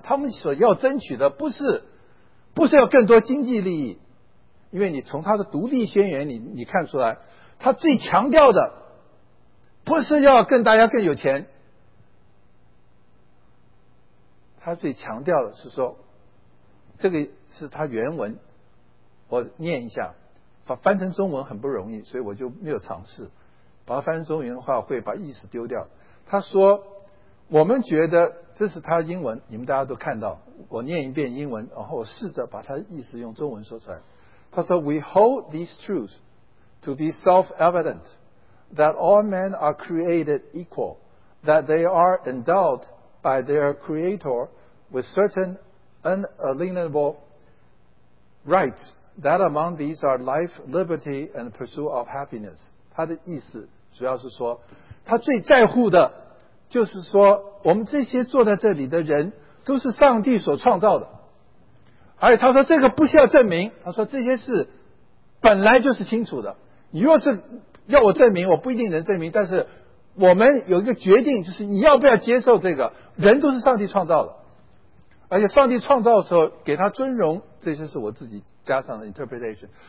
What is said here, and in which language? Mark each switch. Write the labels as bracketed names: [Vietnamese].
[Chinese] 他们所要争取的不是要更多经济利益，因为你从他的独立宣言你看出来，他最强调的不是要更大家更有钱，他最强调的是说，这个是他原文，我念一下，翻成中文很不容易，所以我就没有尝试把它翻成中文的话会把意思丢掉。他说我们觉得，这是他英文，你们大家都看到，我念一遍英文，然后我试着把他的意思用中文说出来。他说 [English] We hold these truths to be self-evident that all men are created equal, that they are endowed by their creator with certain unalienable rights, that among these are life, liberty, and pursuit of happiness. [Chinese] 他的意思主要是说，他最在乎的就是说，我们这些坐在这里的人都是上帝所创造的，而且他说这个不需要证明，他说这些事本来就是清楚的，你若是要我证明，我不一定能证明，但是我们有一个决定，就是你要不要接受这个，人都是上帝创造的，而且上帝创造的时候给他尊荣，这些是我自己加上的 interpretation。